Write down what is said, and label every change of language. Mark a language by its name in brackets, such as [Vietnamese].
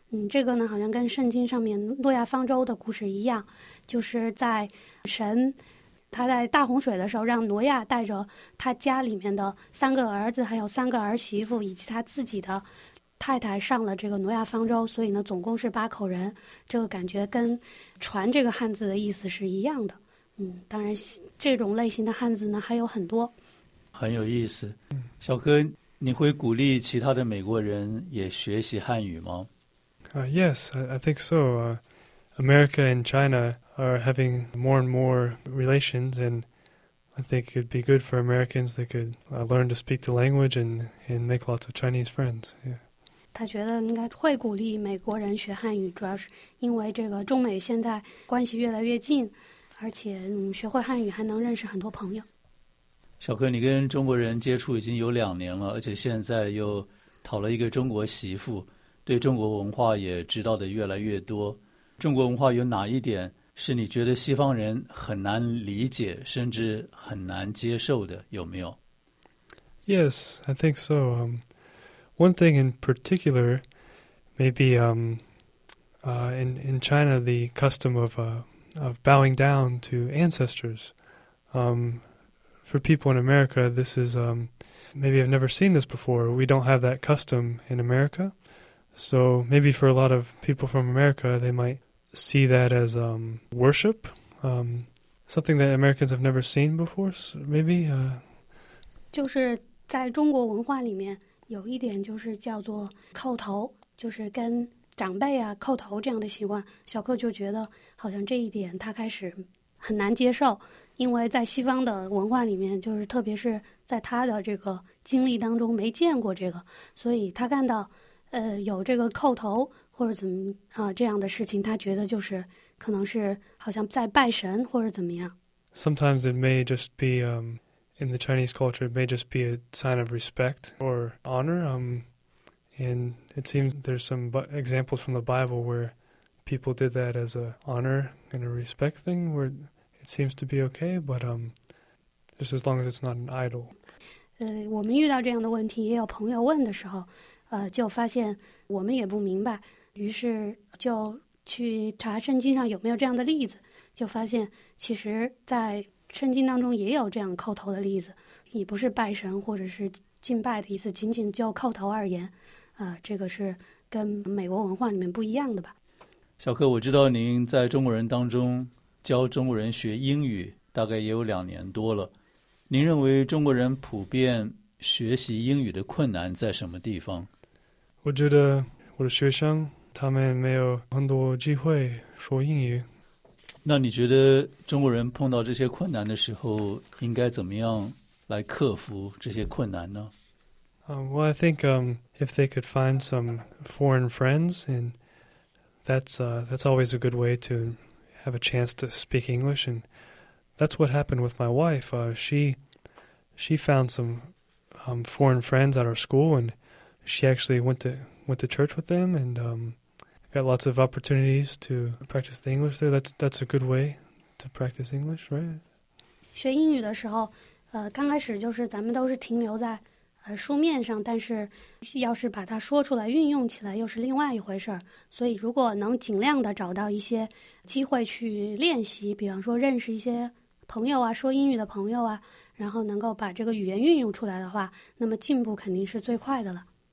[Chinese] 这个呢好像跟圣经上面诺亚方舟的故事一样，就是在神他在大洪水的时候让挪亚带着他家里面的三个儿子还有三个儿媳妇以及他自己的太太上了这个挪亚方舟，所以呢总共是八口人。这个感觉跟船这个汉字的意思是一样的。当然这种类型的汉字呢还有很多。很有意思。小柯，你会鼓励其他的美国人也学习汉语吗？ [English] Yes, I think so. America and China are having more and more relations, and I think it'd be good for Americans that could learn to speak the language and make lots of Chinese friends. Yeah. [Chinese] 他觉得应该会鼓励美国人学汉语，主要是因为这个中美现在关系越来越近，而且学会汉语还能认识很多朋友。小柯，你跟中国人接触已经有2年了，而且现在又讨了一个中国媳妇，对中国文化也知道的越来越多。中国文化有哪一点是你觉得西方人很难理解甚至很难接受的，有没有？ [English] Yes, I think so. One thing in particular, maybe in China, the custom of bowing down to ancestors. For people in America, this is, maybe I've never seen this before. We don't have that custom in America. So maybe for a lot of people from America, they might see that as worship, something that Americans have never seen before, so maybe. [Chinese] 就是在中国文化里面有一点就是叫做叩头，就是跟长辈啊叩头这样的习惯，小柯就觉得好像这一点他开始很难接受，因为在西方的文化里面，就是特别是在他的这个经历当中没见过这个，所以他看到有这个叩头或者怎么这样的事情，他觉得就是可能是好像在拜神或者怎么样。 [English] Sometimes it may just be in the Chinese culture, it may just be a sign of respect or honor. And it seems there's some examples from the Bible where people did that as an honor and a respect thing, where it seems to be okay, but just as long as it's not an idol. [Chinese] 我们遇到这样的问题，也有朋友问的时候，就发现我们也不明白，于是就去查圣经上有没有这样的例子，就发现其实在圣经当中也有这样叩头的例子，也不是拜神或者是敬拜的意思，仅仅就叩头而言。这个是跟美国文化里面不一样的吧。小柯，我知道您在中国人当中教中国人学英语大概也有2年多了，您认为中国人普遍学习英语的困难在什么地方？我觉得我的学生他们没有很多机会说英语。那你觉得中国人碰到这些困难的时候应该怎么样来克服这些困难呢？ [English] Well, I think if they could find some foreign friends, and that's always a good way to have a chance to speak English, and that's what happened with my wife. She found some foreign friends at our school, and she actually went to with the church with them, and got lots of opportunities to practice the English there. That's a good way to practice English, right? [Chinese] 学英语的时候，刚开始就是咱们都是停留在书面上，但是要是把它说出来、运用起来，又是另外一回事儿。所以，如果能尽量的找到一些机会去练习，比方说认识一些朋友啊，说英语的朋友啊，然后能够把这个语言运用出来的话，那么进步肯定是最快的了。